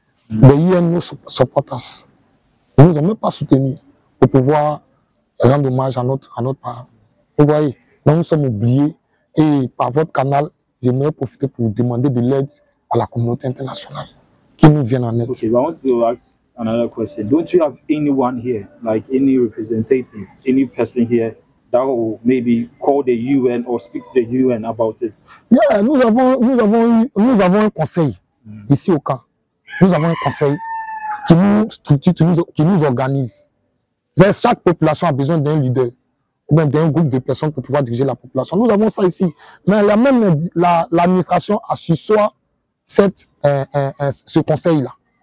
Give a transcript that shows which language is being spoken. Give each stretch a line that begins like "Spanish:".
French: Les UN nous supportent. Ils ne nous ont même pas soutenus pour pouvoir rendre hommage à notre parent. Vous voyez, nous sommes oubliés et par votre canal, j'aimerais profiter pour vous demander de l'aide à la communauté internationale qui nous vient en aide.
English: Ok, but I want to ask another question. Don't you have anyone here, like any representative, any person here that will maybe call the UN or speak to the UN about it?
French: Yeah, nous avons un conseil ici au camp. Nous avons un conseil qui nous organise. C'est-à-dire chaque population a besoin d'un leader ou bien d'un groupe de personnes pour pouvoir diriger la population. Nous avons ça ici. Mais la même l'administration a su soit ce conseil-là.